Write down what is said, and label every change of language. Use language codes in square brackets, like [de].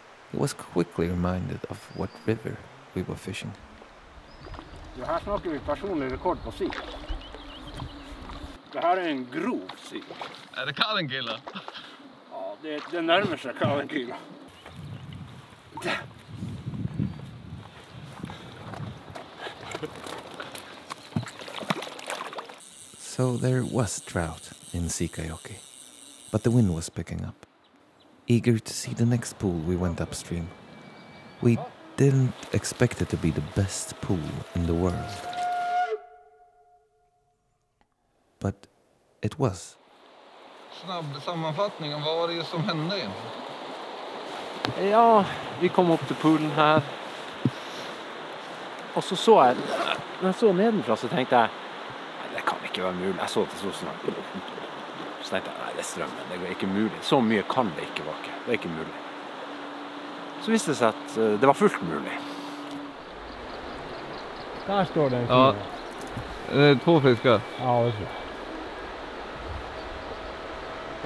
[en] He was quickly reminded of what river we were fishing. [sv] Det här snackar vi personlig rekord på sik. Det här är en grov sik. Är det kallengilla? Ja, det närmar sig kallengilla. [en] So there was trout in Siikajoki, but the wind was picking up. Eager to see the next pool, we went upstream. We didn't expect it to be the best pool in the world. But it was. [sv] Snabb sammanfattning, vad var det som hände? Ja, vi kom upp till poolen här. Och så såg jag, när jag såg nedifrån så tänkte jag, det kan inte vara möjligt, jag såg det så snabbt. [no] Så tenkte jeg, nei, det strømmen, det ikke mulig. Så mye kan det ikke vake. Det ikke mulig. Så visste det seg at det var fullt mulig. Der står det en fyr. Ja. Det to fisker. Ja, det tror jeg.